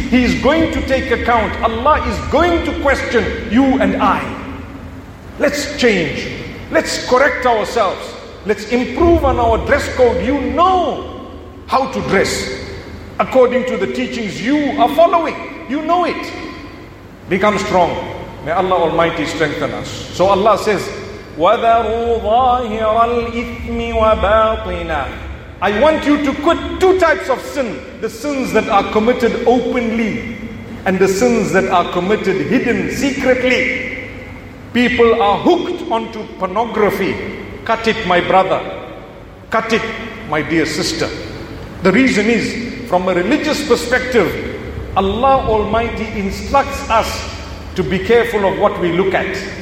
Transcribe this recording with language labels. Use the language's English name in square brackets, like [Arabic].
[English] He is going to take account. Allah is going to question you and I. Let's change. Let's correct ourselves. Let's improve on our dress code. You know how to dress according to the teachings you are following. You know it. Become strong. May Allah Almighty strengthen us. So Allah says, [Arabic] وَذَرُوا ظَاهِرَ الْإِثْمِ وَبَاطِنَهُ. [English] I want you to quit two types of sin. The sins that are committed openly and the sins that are committed hidden secretly. People are hooked onto pornography. Cut it, my brother. Cut it, my dear sister. The reason is, from a religious perspective, Allah Almighty instructs us to be careful of what we look at.